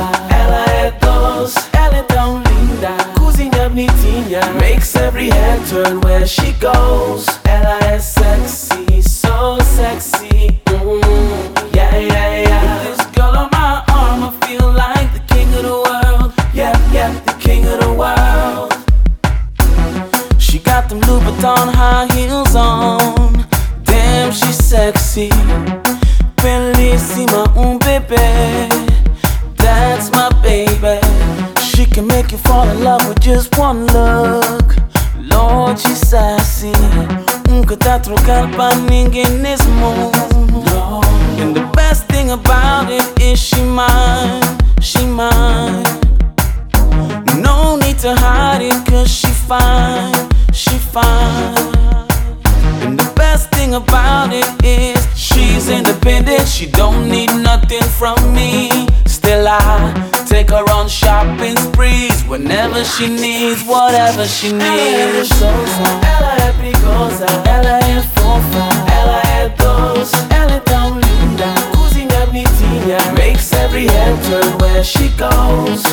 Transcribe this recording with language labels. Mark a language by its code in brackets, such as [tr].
[pt] Ela é doce, ela é tão linda. Cozinha bonitinha, [en] makes every head turn where she goes. [pt] Ela é sexy, [en] so sexy. Yeah, yeah, yeah. With this girl on my arm, I feel like the king of the world. Yeah, yeah, the king of the world. She got them Louis Vuitton high heels on. Damn, she's sexy. Bellissima, [es] un bebé. [en] That's my baby. She can make you fall in love with just one look. Lord, she's sassy. [pt] Nunca te trocar pa ninguém nesse mundo. [en] And the best thing about it is she mine, she mine. No need to hide it, cause she fine, she fine. And the best thing about it is she's independent, she don't need nothing from me. Still I take her on shopping sprees whenever she needs, whatever she needs. [pt] Ela é luxuosa, ela é perigosa, ela é fofa, ela é doce, ela é tão linda. Cozinha bonitinha, [en] makes every head turn where she goes.